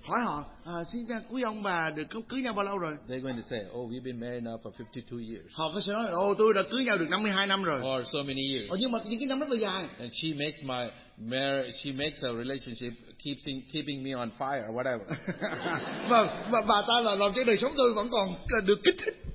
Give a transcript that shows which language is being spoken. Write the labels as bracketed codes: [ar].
[vi] Hỏi họ, xin chào quý ông bà, được cưới nhau bao lâu rồi? [en] They're going to say, oh, we've been married now for 52 years. [vi] Họ có thể nói, oh, tôi đã cưới nhau được 52 năm rồi. [en] Or so many years. [vi] Nhưng mà những cái năm rất là dài. [en] And she makes my marriage, she makes our relationship keeping me on fire, whatever. [vi] Bà ta là làm cho đời sống tôi vẫn còn được kích thích.